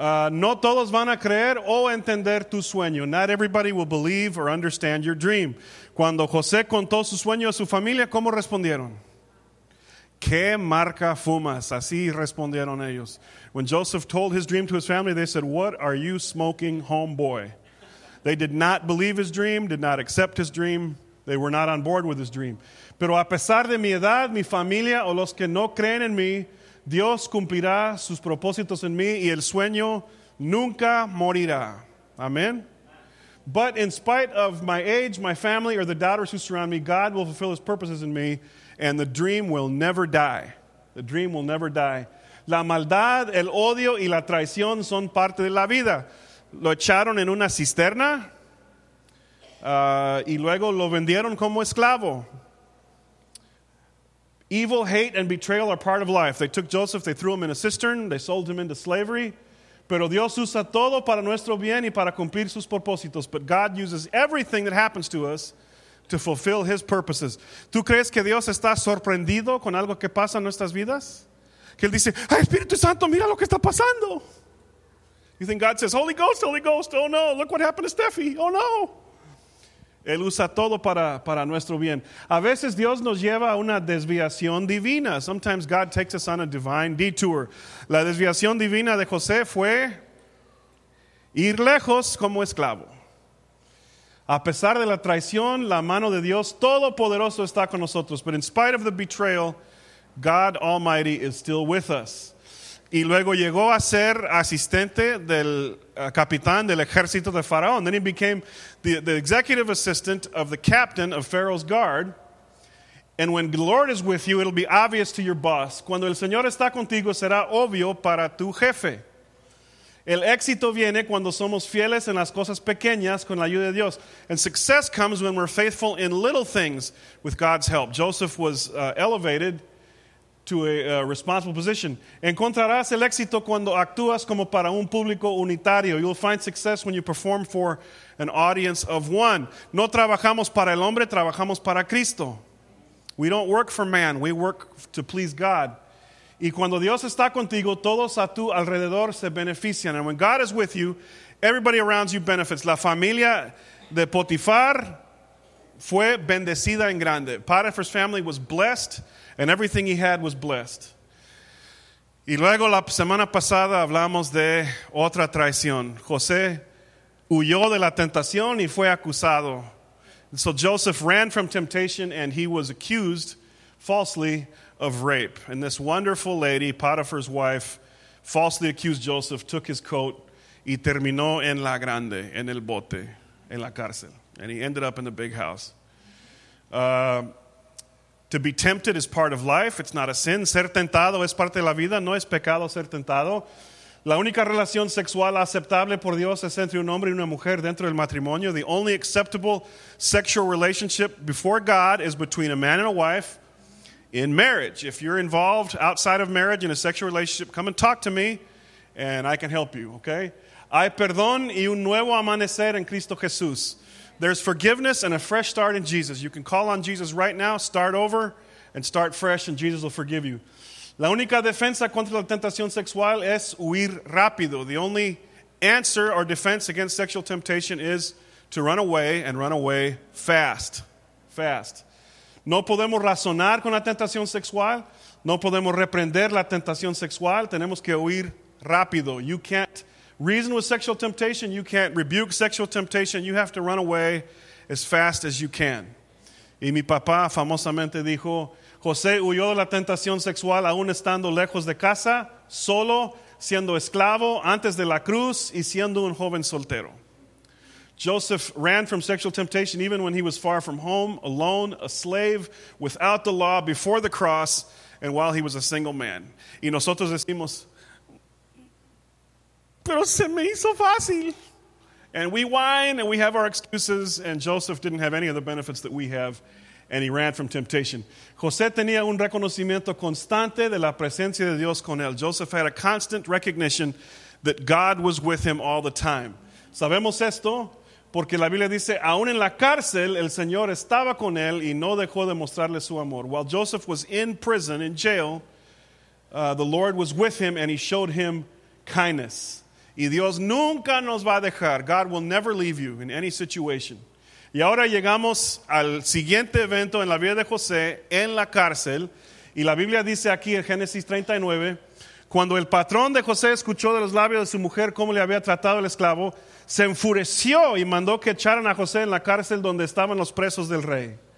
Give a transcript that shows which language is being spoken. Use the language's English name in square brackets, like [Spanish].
[Spanish] No todos van a creer o entender tu sueño. [English] Not everybody will believe or understand your dream. [Spanish] Cuando José contó su sueño a su familia, ¿cómo respondieron? ¿Qué marca fumas? Así respondieron ellos. [English] When Joseph told his dream to his family, they said, "What are you smoking, homeboy?" They did not believe his dream, did not accept his dream. They were not on board with his dream. [Spanish] Pero a pesar de mi edad, mi familia o los que no creen en mí, Dios cumplirá sus propósitos en mí y el sueño nunca morirá. [English] Amen. But in spite of my age, my family, or the doubters who surround me, God will fulfill his purposes in me and the dream will never die. The dream will never die. [Spanish] La maldad, el odio y la traición son parte de la vida. Lo echaron en una cisterna y luego lo vendieron como esclavo. [English] Evil, hate, and betrayal are part of life. They took Joseph, they threw him in a cistern, they sold him into slavery. [Spanish] Pero Dios usa todo para nuestro bien y para cumplir sus propósitos. [English] But God uses everything that happens to us to fulfill his purposes. [Spanish] ¿Tú crees que Dios está sorprendido con algo que pasa en nuestras vidas? Que él dice, ¡ay, Espíritu Santo, mira lo que está pasando! [English] You think God says, Holy Ghost, Holy Ghost, oh no, look what happened to Steffi, oh no. [Spanish] Él usa todo para nuestro bien. A veces Dios nos lleva a una desviación divina. [English] Sometimes God takes us on a divine detour. [Spanish] La desviación divina de José fue ir lejos como esclavo. A pesar de la traición, la mano de Dios todopoderoso está con nosotros. [English] But in spite of the betrayal, God Almighty is still with us. [Spanish] Y luego llegó a ser asistente del capitán del ejército de Faraón. [English] Then he became the executive assistant of the captain of Pharaoh's guard. And when the Lord is with you, it'll be obvious to your boss. [Spanish] Cuando el Señor está contigo, será obvio para tu jefe. El éxito viene cuando somos fieles en las cosas pequeñas con la ayuda de Dios. [English] And success comes when we're faithful in little things with God's help. Joseph was elevated to a responsible position. [Spanish] Encontrarás el éxito cuando actúas como para un público unitario. [English] You'll find success when you perform for an audience of one. [Spanish] No trabajamos para el hombre, trabajamos para Cristo. [English] We don't work for man, we work to please God. [Spanish] Y cuando Dios está contigo, todos a tu alrededor se benefician. [English] And when God is with you, everybody around you benefits. [Spanish] La familia de Potifar fue bendecida en grande. [English] Potiphar's family was blessed, and everything he had was blessed. [Spanish] Y luego la semana pasada hablamos de otra traición. José huyó de la tentación y fue acusado. [English] And so Joseph ran from temptation and he was accused falsely of rape. And this wonderful lady, Potiphar's wife, falsely accused Joseph, took his coat [Spanish] y terminó en la grande, en el bote, en la cárcel. [English] And he ended up in the big house. To be tempted is part of life. It's not a sin. [Spanish] Ser tentado es parte de la vida. No es pecado ser tentado. La única relación sexual aceptable por Dios es entre un hombre y una mujer dentro del matrimonio. [English] The only acceptable sexual relationship before God is between a man and a wife in marriage. If you're involved outside of marriage in a sexual relationship, come and talk to me and I can help you, okay? [Spanish] Hay perdón y un nuevo amanecer en Cristo Jesús. [English] There's forgiveness and a fresh start in Jesus. You can call on Jesus right now, start over, and start fresh, and Jesus will forgive you. [Spanish] La única defensa contra la tentación sexual es huir rápido. [English] The only answer or defense against sexual temptation is to run away, and run away fast. Fast. [Spanish] No podemos razonar con la tentación sexual. No podemos reprender la tentación sexual. Tenemos que huir rápido. [English] You can't reason with sexual temptation. You can't rebuke sexual temptation. You have to run away as fast as you can. [Spanish] Y mi papá famosamente dijo, José huyó de la tentación sexual aún estando lejos de casa, solo, siendo esclavo, antes de la cruz, y siendo un joven soltero. [English] Joseph ran from sexual temptation even when he was far from home, alone, a slave, without the law, before the cross, and while he was a single man. [Spanish] Y nosotros decimos, pero se me hizo fácil. [English] And we whine and we have our excuses, and Joseph didn't have any of the benefits that we have, and he ran from temptation. [Spanish] José tenía un reconocimiento constante de la presencia de Dios con él. [English] Joseph had a constant recognition that God was with him all the time. [Spanish] Sabemos esto porque la Biblia dice, aún en la cárcel, el Señor estaba con él y no dejó de mostrarle su amor. [English] While Joseph was in prison, in jail, the Lord was with him and he showed him kindness. [Spanish] Y Dios nunca nos va a dejar. [English] God will never leave you in any situation. [Spanish] Y ahora llegamos al siguiente evento en la vida de José, en la cárcel. Y la Biblia dice aquí en Génesis 39, cuando el patrón de José escuchó de los labios de su mujer cómo le había tratado el esclavo, se enfureció y mandó que echaran a José en la cárcel donde estaban los presos del rey.